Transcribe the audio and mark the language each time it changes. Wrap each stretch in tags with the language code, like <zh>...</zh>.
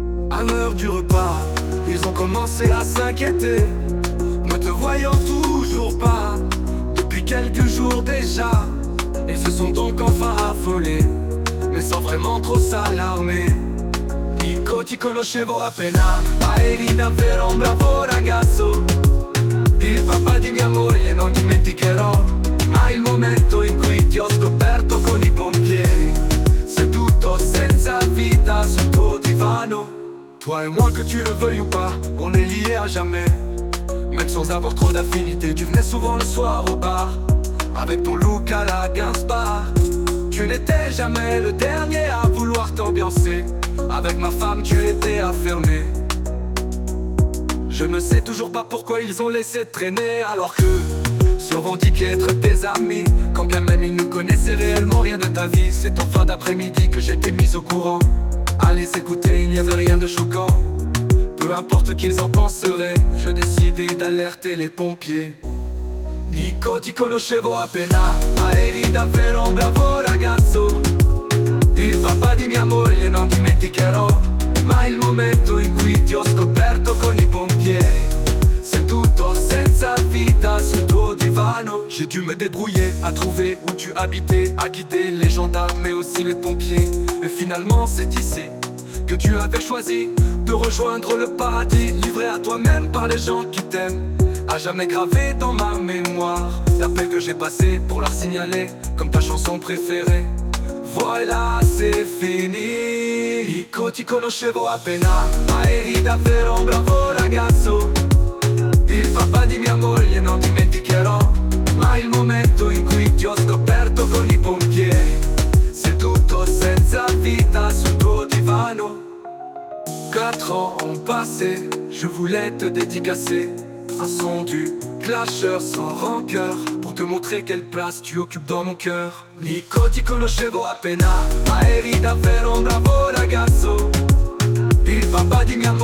<fr>À l'heure du repas, ils ont commencé à s'inquiéter. Ne te voyant toujours pas, depuis quelques jours déjà. Ils se sont donc enfin affolés, mais sans vraiment trop s'alarmer.</fr> <it>Dico, ti conoscevo appena, ma eri davvero un bravo ragazzo. Il papà di mia moglie non dimenticherò. Ma il momento in cui ti ho scoperto con i pompieri, seduto senza vita sul tuo divano.</it> <fr>Toi et moi, que tu le veuilles ou pas, on est liés à jamais. Même sans avoir trop d'affinités, tu venais souvent le soir au bar. Avec ton look à la Gainsbar, tu n'étais jamais le dernier à vouloir t'ambiancer. Avec ma femme, tu étais affirmé. Je ne sais toujours pas pourquoi ils ont laissé traîner, alors que se revendiquaient être tes amis. Quand bien même ils ne connaissaient réellement rien de ta vie. C'est en fin d'après-midi que j'étais mis au courant. Allez écouter, il n'y avait rien de choquant. Peu importe qu'ils en penseraient, je décidais d'alerter les pompiers.</fr> <it>Nico, ti conoscevo appena, ma eri davvero un bravo ragazzo. Il papà di mia moglie non dimenticherò. Ma il momento in cui ti ho scoperto con i pompieri, seduto senza vita sul tuo divano.</it> <fr>J'ai dû me débrouiller à trouver où tu habitais, à quitter les gendarmes mais aussi les pompiers. Et finalement c'est ici que tu avais choisi de rejoindre le paradis. Livré à toi-même par les gens qui t'aiment, à jamais gravé dans ma mémoire. L'appel que j'ai passé pour leur signaler comme ta chanson préférée. Voilà c'est fini.</fr> <it>Dico, ti conoscevo appena, ma eri davvero un bravo ragazzo. Il papà di mia moglie non dimenticherò. Ma il momento in cui ti ho scoperto con i pompieri, seduto senza vita sul tuo divano.</it> <fr>Quatre ans ont passé, je voulais te dédicacer un son du clasheur sans rancœur, pour te montrer quelle place tu occupes dans mon cœur.</fr> <it>Nico, ti conoscevo appena, ma eri davvero un bravo ragazzo. Il papà di</it>